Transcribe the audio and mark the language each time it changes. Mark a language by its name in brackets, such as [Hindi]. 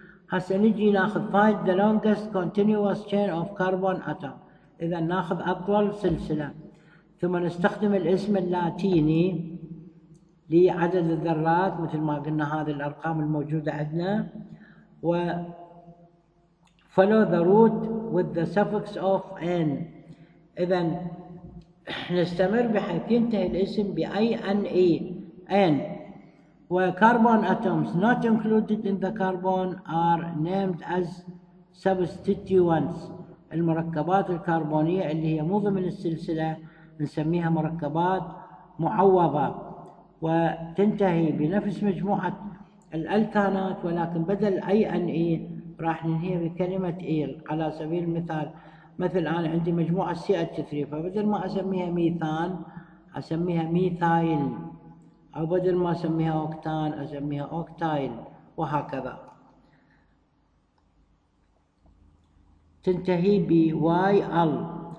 [Arabic] هسا نجي ناخذ find the longest continuous chain of carbon atom، إذا ناخذ أطول سلسلة، ثم نستخدم الاسم اللاتيني لعدد الذرات مثل ما قلنا هذه الأرقام الموجودة عندنا، و follow the root with the suffix of N، إذا نستمر بحيث ينتهي الاسم بأي N E N. [English] Where carbon atoms not included in the carbon are named as substituents. [Arabic] المركبات الكربونية اللي هي مو ضمن السلسلة نسميها مركبات معوضة، وتنتهي بنفس مجموعة الألكانات ولكن بدل أي أن إي راح ننهيها بكلمة إيل. على سبيل المثال مثل أنا عندي مجموعة سي اتش 3، فبدل ما أسميها ميثان أسميها ميثايل، أو بدل ما أسميها أوكتان أسميها أوكتايل، وهكذا تنتهي ب واي ال.